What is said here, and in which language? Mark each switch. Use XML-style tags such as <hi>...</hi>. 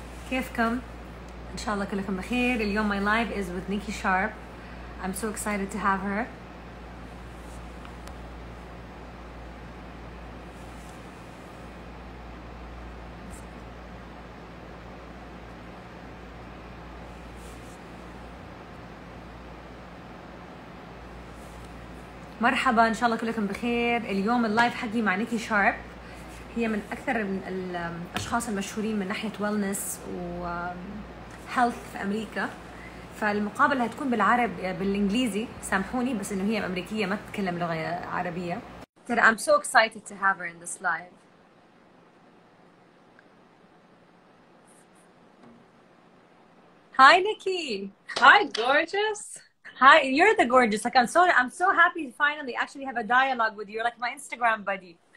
<ar>كيفكم؟ إن شاء الله كلكم بخير.</ar> <en>اليوم my live is with Nikki Sharp. I'm so excited to have her.</en> <ar>مرحبا إن شاء الله كلكم بخير. اليوم اللايف حقي مع نيكي شارب. هي من أكثر من الأشخاص المشهورين من ناحية ويلنس وهيلث في أمريكا. فالمقابلة هتكون بالعرب بالإنجليزي. سامحوني بس إنه هي أمريكية ما تتكلم لغة عربية.</ar> <en>ترى I'm so excited to have her in this live. Hi Nikki. Hi gorgeous. Hi, you're the gorgeous. Like I'm so happy to finally actually have a dialogue with you. You're like my Instagram buddy.</en>